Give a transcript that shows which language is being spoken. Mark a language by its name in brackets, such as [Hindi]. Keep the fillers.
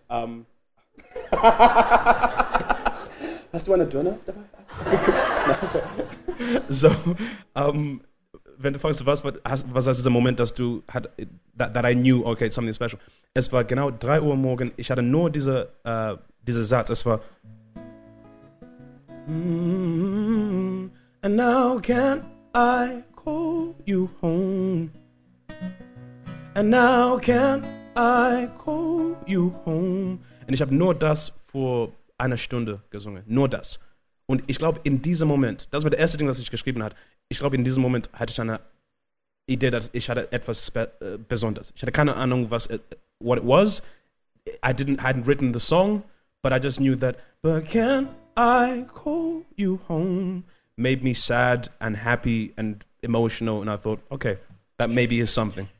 [German] ähm, Hast du eine Döner dabei? Nein. so, ähm, wenn du fragst, was war hast- was war dieser Moment, dass du hat, [English] that, that I knew, okay, it's something special. [German] Es war genau 3 Uhr am morgen. Ich hatte nur diese, äh, diesen Satz. Es war [English] Mm, and now can I call you home? And now can I call you home? [German] Und ich habe nur das vor einer Stunde gesungen. Nur das. Und ich glaube, in diesem Moment, das war das erste Ding, das ich geschrieben hat. Ich glaube, in diesem Moment hatte ich eine Idee, dass ich hatte etwas spe- äh, Besonderes. Ich hatte keine Ahnung, was äh, [English] what it was. I didn't hadn't written the song, but I just knew that. But can I call you home? Made me sad and happy and emotional, and I thought, okay, that maybe is something.